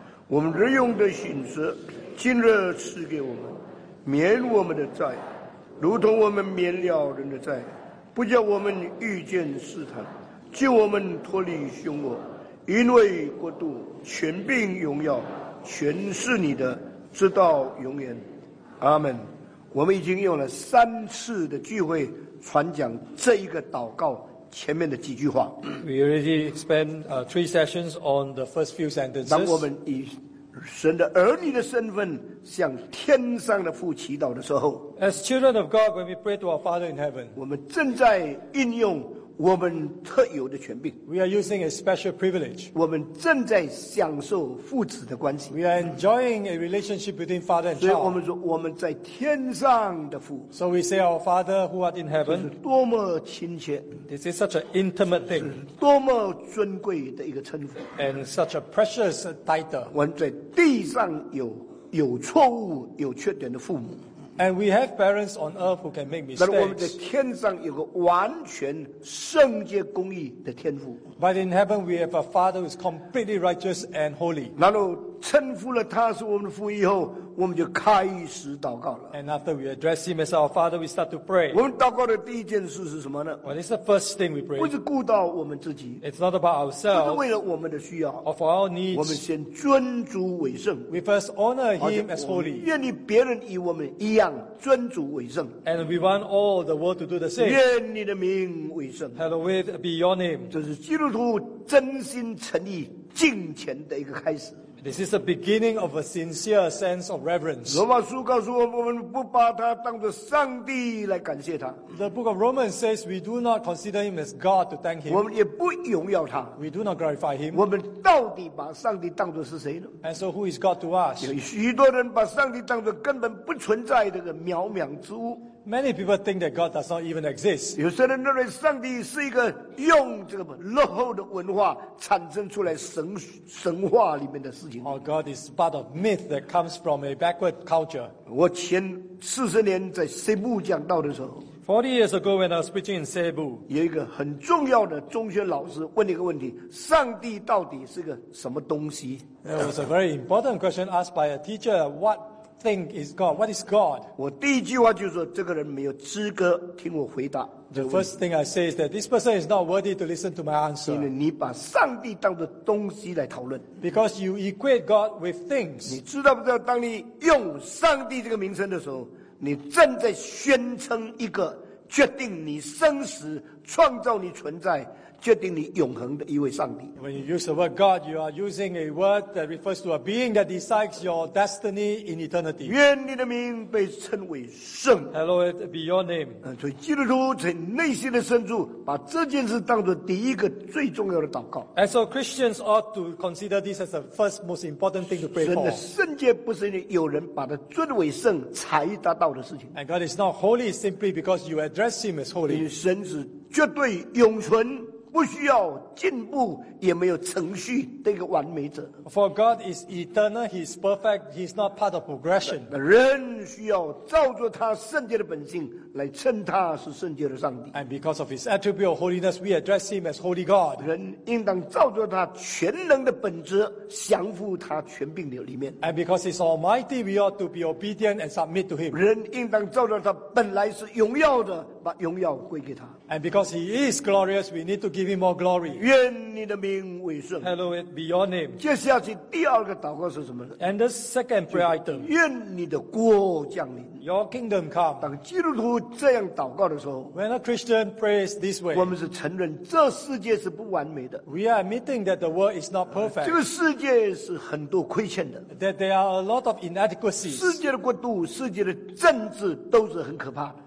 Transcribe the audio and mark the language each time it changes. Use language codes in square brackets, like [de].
[zh] 我们日用的饮食，今日赐给我们，免我们的债，如同我们免了人的债，不叫我们遇见试探，救我们脱离凶恶。因为国度、权柄、荣耀，全是你的，直到永远。” 阿们。我们已经用了三次的聚会传讲这一个祷告前面的几句话。 [en] We already spent three sessions on the first few sentences. [zh] 当我们以神的儿女的身份向天上的父祈祷的时候， [en] As children of God, when we pray to our Father in heaven, [zh] 我们正在应用我们特有的权柄。 [en] We are using a special privilege. [zh] 我们正在享受父子的关系。 [en] We are enjoying a relationship between father and child. [zh] 所以我们说我们在天上的父。 [en] So we say our Father who art in heaven. [zh] 是多么亲切。 [en] This is such an intimate thing. [zh] 是多么尊贵的一个称呼。 [en] And such a precious title. [zh] 我们在地上有错误、有缺点的父母。 [en] And we have parents on earth who can make mistakes. [zh] 但我们在天上有个完全圣洁公义的天父。 [en] But in heaven we have a father who is completely righteous and holy. [zh] 然后称呼了他是我们的父以后，我们就开始祷告了。 [en] And after we address him as our father, we start to pray. [zh] 我们祷告的第一件事是什么呢？ [en] Well, it's the first thing we pray. [zh] 不是顾到我们自己。 [en] It's not about ourselves. [zh] 不是为了我们的需要。 [en] Or for our needs. [zh] 我们先尊主为圣。 [en] We first honor him as holy. [zh] 愿意别人与我们一样尊主为圣。 [en] And we want all the world to do the same. [zh] 愿你的名为圣。 [en] Hallowed be your name. [zh] 这是基督徒真心诚意敬虔的一个开始。 [en] This is the beginning of a sincere sense of reverence. [zh] 罗马书告诉我们，我们不把他当作上帝来感谢他。 [en] The book of Romans says we do not consider him as God to thank him. [zh] 我们也不荣耀他。 [en] We do not glorify him. [zh] 我们到底把上帝当作是谁呢？ [en] And so who is God to us? [zh] 有许多人把上帝当作根本不存在的个渺渺之物。 [en] Many people think that God does not even exist. [zh] 有些人认为上帝是一个用这个落后的文化产生出来神话里面的事情。 [en] Oh, God is part of myth that comes from a backward culture. [zh] 我前四十年在西部讲道的时候， [en] 40 years ago when I was preaching in 西部， [zh] 有一个很重要的中学老师问了一个问题：上帝到底是个什么东西？ [en] It was a very important question asked by a teacher. What? Think is God. What is God? [zh] 我第一句话就说这个人没有资格听我回答。 [en] The first thing I say is that this person is not worthy to listen to my answer. [zh] 因为你把上帝当作东西来讨论。 [en] Because you equate God with things. [zh] 你知道不知道，当你用上帝这个名称的时候，你正在宣称一个决定你生死、创造你存在、决定你永恒的一位上帝。 [en] When you use the word God, you are using a word that refers to a being that decides your destiny in eternity. [zh] 愿你的名被称为圣。 [en] Hallowed be your name. [zh] 所以基督徒在内心的深处把这件事当作第一个最重要的祷告。 [en] And so Christians ought to consider this as the first most important thing to pray for. [zh] 神的圣洁不是有人把它尊为圣才达到的事情。 [en] And God is not holy simply because you address him as holy. [zh] 因为神是绝对永存，不需要进步，也没有程序的一个完美者。 [en] For God is eternal, He is perfect, He is not part of progression. [zh] 人需要照着他圣洁的本性来称他是圣洁的上帝。 [en] And because of His attribute of holiness, we address Him as holy God. [zh] 人应当照着他全能的本质降服他权柄的里面。 [en] And because He is almighty, we ought to be obedient and submit to Him. [zh] 人应当照着他本来是荣耀的，把荣耀归给他。 [en] And because He is glorious, we need to give Him more glory. [zh] 愿你的名为圣。 [en] Hallowed be your name. [zh] 接下去第二个祷告是什么呢？ [en] And the second prayer item. [zh] 愿你的国降临。 [en] Your kingdom come. [zh] 当基督徒这样祷告的时候， [en] When a Christian prays this way, [zh] 我们是承认这世界是不完美的。 [en] We are admitting that the world is not perfect. [zh] 这个世界是很多亏欠的。 [en] That there are a lot of inadequacies. [zh] 世界的国度、世界的政治都是很可怕的。